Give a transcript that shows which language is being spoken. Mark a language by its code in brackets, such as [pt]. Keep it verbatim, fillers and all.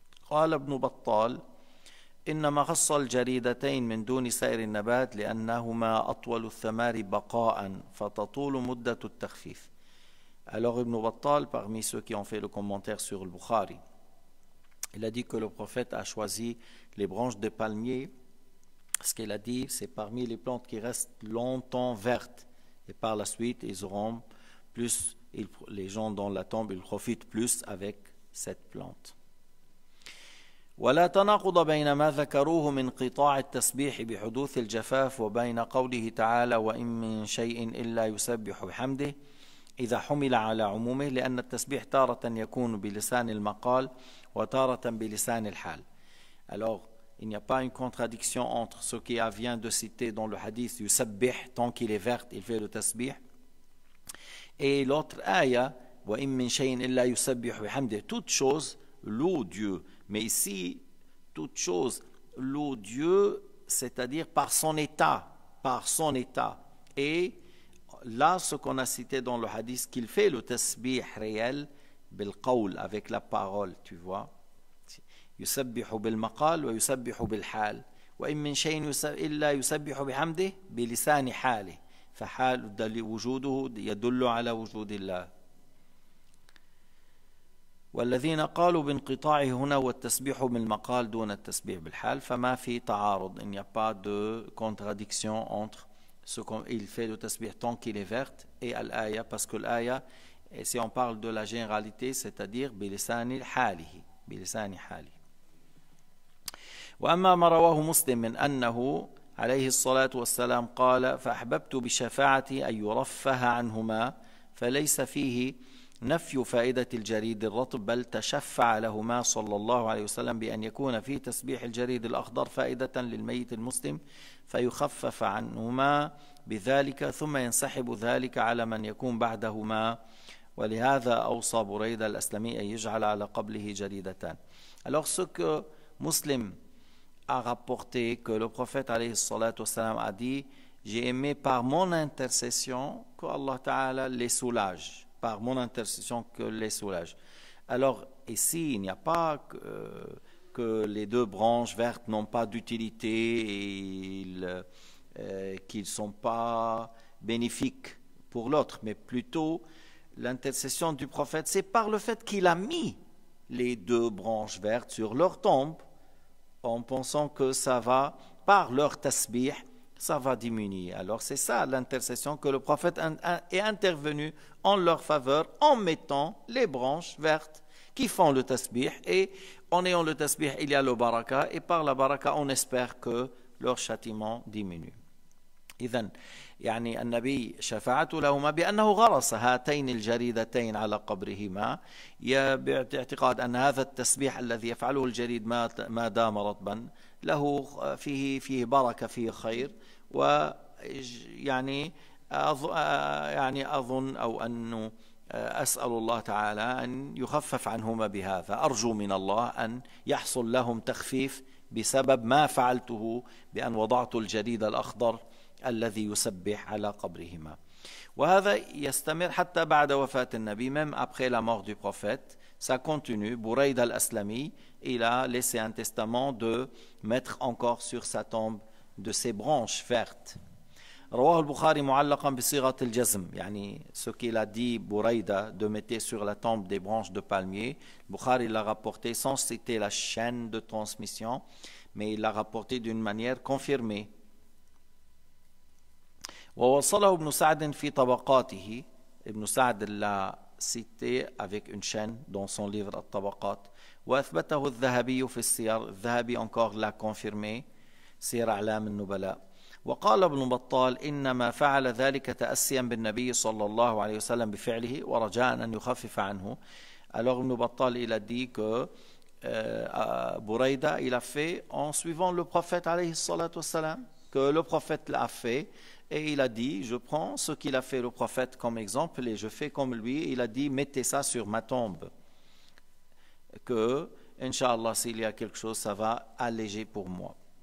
[ar] قال ابن بطال إنما خص الجريدتين من دون سائر النبات لأنهما أطول الثمار بقاء فتطول مدة التخفيف. [fr] Alors Ibn Battal, parmi ceux qui ont fait le commentaire sur le Bukhari, il a dit que le prophète a choisi les branches de palmier. Ce qu'il a dit, c'est parmi les plantes qui restent longtemps vertes. Et par la suite, ils auront plus, ils- les gens dans la tombe, ils profitent plus avec cette plante. [ar] ولا تناقض بين ما ذكروه من قطاع التسبيح بحدوث الجفاف وبين قوله تعالى وإن من شيء إلا يسبح بحمده إذا حمل على عمومه، لأن التسبيح تارة يكون بلسان المقال وتارة بلسان الحال. [fr] Alors, il n'y a pas une contradiction entre ce qui vient de citer dans le hadith yusabbih, tant qu'il est vert, il fait le tasbih, et l'autre ayah, [ar] wa in min shay'in illa yusabbih bihamdih, [fr] toute chose loue Dieu. Mais ici, toute chose loue Dieu, c'est-à-dire par son état, par son état. Et là, ce qu'on a cité dans le hadith, qu'il fait le tasbih réel, [ar] bil qawl, [fr] avec la parole, tu vois. [ar] يسبح بالمقال ويسبح بالحال، وإن من شيء إلا يسبح بحمده بلسان حاله، فحال وجوده يدل على وجود الله. والذين قالوا بانقطاعه هنا والتسبيح بالمقال دون التسبيح بالحال، فما في تعارض. [fr] Il n'y a pas de contradiction entre ce qu'il fait le tasbih tant qu'il est vert et l'aya, parce que l'aya, si on parle de la généralité, c'est-à-dire [ar] بلسان حاله بلسان حاله. وأما ما رواه مسلم من أنه عليه الصلاة والسلام قال فأحببت بشفاعة أن يرفه عنهما، فليس فيه نفي فائدة الجريد الرطب، بل تشفع لهما صلى الله عليه وسلم بأن يكون في تسبيح الجريد الأخضر فائدة للميت المسلم فيخفف عنهما بذلك، ثم ينسحب ذلك على من يكون بعدهما، ولهذا أوصى بريدة الأسلمي أن يجعل على قبله جريدتان. [fr] Alors ce que Muslim a rapporté que le prophète [ar] alayhi salatu wassalam [fr] a dit, j'ai aimé par mon intercession que Allah Ta'ala les soulage, par mon intercession que les soulage. Alors ici, il n'y a pas que, euh, que les deux branches vertes n'ont pas d'utilité et euh, qu'ils ne sont pas bénéfiques pour l'autre, mais plutôt l'intercession du prophète, c'est par le fait qu'il a mis les deux branches vertes sur leur tombe, en pensant que ça va, par leur tasbih, ça va diminuer. Alors c'est ça l'intercession, que le prophète est intervenu en leur faveur, en mettant les branches vertes qui font le tasbih, et en ayant le tasbih, il y a le baraka, et par la baraka, on espère que leur châtiment diminue. [ar] إذن يعني النبي شفاعته لهما بأنه غرس هاتين الجريدتين على قبرهما باعتقاد أن هذا التسبيح الذي يفعله الجريد ما دام رطبا له فيه فيه بركة فيه خير، ويعني يعني أظن أو أن أسأل الله تعالى أن يخفف عنهما بهذا، أرجو من الله أن يحصل لهم تخفيف بسبب ما فعلته بأن وضعت الجريد الأخضر الذي يسبح على قبرهما. وهذا يستمر حتى بعد وفاة النبي، [fr] même après la mort du prophète, ça continue. Bouraïd al-Aslami, il a laissé un testament de mettre encore sur sa tombe de ses branches vertes. [ar] رواه البخاري معلقا بصيغة الجزم، يعني [fr] ce qu'il a dit Bouraïda de mettre sur la tombe des branches de palmier, Bukhari l'a rapporté sans citer la chaîne de transmission, mais il l'a rapporté d'une manière confirmée. [ar] ووصله ابن سعد في طبقاته، [fr] ابن سعد l'a cité avec une chaîne dans son livre الطبقات. [ar] وأثبته الذهبي في السير، الذهبي [fr] encore l'a confirmé [ar] سير أعلام النبلاء. وقال ابن بطال إنما فعل ذلك تأسيا بالنبي صلى الله عليه وسلم بفعله ورجاء أن يخفف عنه. [fr] Alors ابن بطال il a dit que euh, Bouraïda il a fait en suivant le prophète [ar] عليه الصلاة والسلام, [fr] que le prophète l'a fait. Et il a dit, je prends ce qu'il a fait le prophète comme exemple et je fais comme lui. Il a dit, mettez ça sur ma tombe. Que, Inch'Allah, s'il y a quelque chose, ça va alléger pour moi.